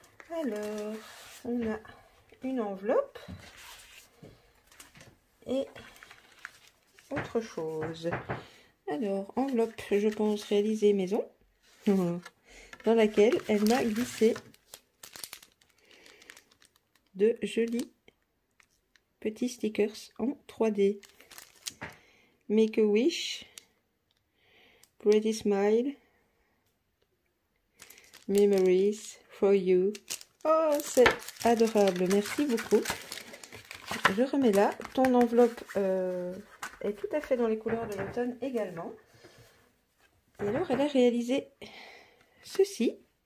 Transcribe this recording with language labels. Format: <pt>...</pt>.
<fr>Alors, on a une enveloppe et autre chose. Alors, enveloppe, je pense, réalisée maison, dans laquelle elle m'a glissé de jolis petits stickers en 3D.</fr> <en>Make a wish, pretty smile, memories for you.</en> <fr>Oh, c'est adorable, merci beaucoup. Je remets là, ton enveloppe est tout à fait dans les couleurs de l'automne également. Et alors, elle a réalisé ceci.</fr>